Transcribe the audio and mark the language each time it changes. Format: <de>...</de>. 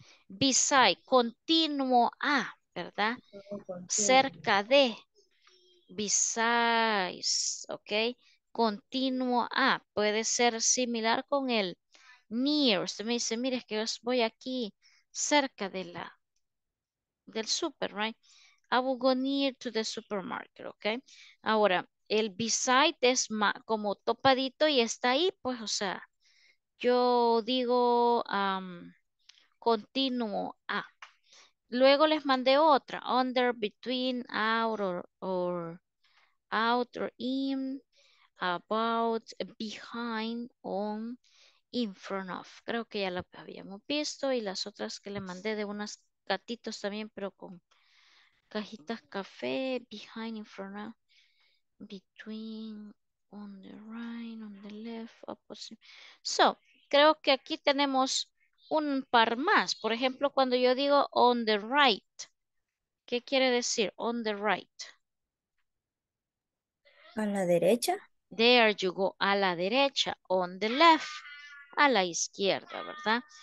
<es>Beside, continuo a, ¿verdad? Cerca de. Besides, ¿ok? Continuo a. Puede ser similar con el near. Usted me dice, mire, es que yo voy aquí cerca de la del super, ¿right?</es> <en>I will go near to the supermarket, ¿ok?</en> <es>Ahora, el beside es más, como topadito y está ahí, pues, o sea, yo digo continuo a. Luego les mandé otra.</es> <en>Under, between, out, or out or in, about, behind, on, in front of.</en> <es>Creo que ya lo habíamos visto. Y las otras que le mandé de unos gatitos también, pero con cajitas café.</es> <en>Behind, in front of, between, on the right, on the left, opposite.</en> <es>So, creo que aquí tenemos un par más. Por ejemplo, cuando yo digo</es> <en>on the right,</en> <es>¿qué quiere decir on the right? A la derecha.</es> <en>There you go,</en> <es>a la derecha.</es> <en>On the left,</en> <es>a la izquierda, ¿verdad?</es>